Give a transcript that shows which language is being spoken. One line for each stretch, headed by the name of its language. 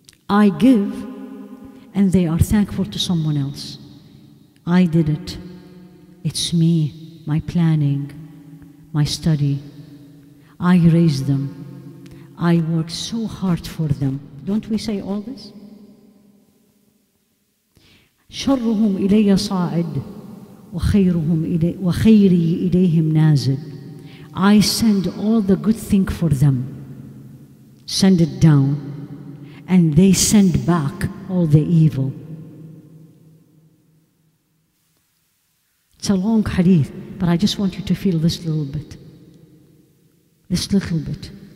English: I give and they are thankful to someone else. I did it. It's me, my planning, my study. I raised them. I worked so hard for them. Don't we say all this?
Arabic: شرهم إلي صاعد وخيرهم إلي وخيري إليهم نازل.
English: I send all the good thing for them. Send it down. And they send back all the evil. It's a long hadith, but I just want you to feel this little bit. This little bit.